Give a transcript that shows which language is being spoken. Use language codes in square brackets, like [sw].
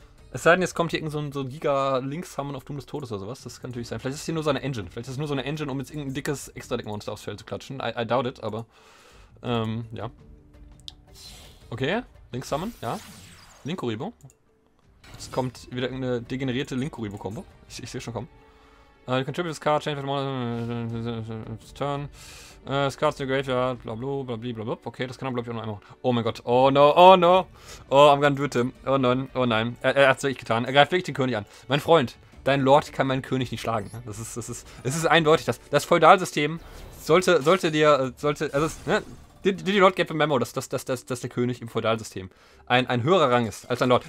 [de] Es sei denn, jetzt kommt hier irgend so ein Giga-Links-Summon auf Doom des Todes oder sowas. Das kann natürlich sein. Vielleicht ist es hier nur seine Engine. Vielleicht ist es nur so eine Engine, um jetzt irgendein dickes Extra-Deck-Monster aufs Feld zu klatschen. [en] I doubt it, [de] aber. Ja. Okay. Links-Summon, ja. Link-Kuribo. Es kommt wieder eine degenerierte Link-Kuribo-Kombo. Ich sehe schon kommen. [en] You can tribute this card, change for the turn. This card's in the graveyard, bla bla bla bla bla bla. [de] Okay, das kann er, glaube ich, auch noch einmal machen. Oh mein Gott, [en] oh no, oh no. Oh, I'm gonna do it, Tim. [de] Oh nein, oh nein. Er hat es wirklich getan. Er greift wirklich den König an. Mein Freund, dein Lord kann meinen König nicht schlagen. Das ist eindeutig. Das Feudalsystem [en] Did you not get the memo, [de] dass der König im Feudalsystem ein höherer Rang ist als sein Lord?